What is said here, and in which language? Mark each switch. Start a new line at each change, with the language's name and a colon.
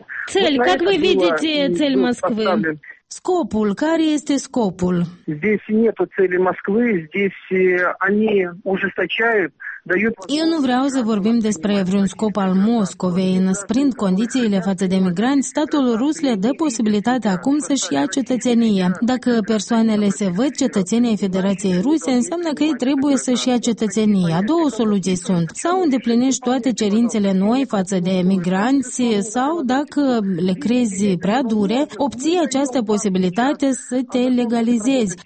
Russian: Цель, как вы видите цель Москвы?
Romanian: Scopul, care este scopul?
Russian: Здесь нету цели Москвы, здесь они ужесточают.
Romanian: Eu nu vreau să vorbim despre vreun scop al Moscovei. Înăsprind condițiile față de migranți, statul rus le dă posibilitatea acum să-și ia cetățenie. Dacă persoanele se văd cetățenii Federației Ruse, înseamnă că ei trebuie să-și ia cetățenia. Două soluții sunt. Sau îndeplinești toate cerințele noi față de migranți, sau, dacă le crezi prea dure, obții această posibilitate să te legalizezi.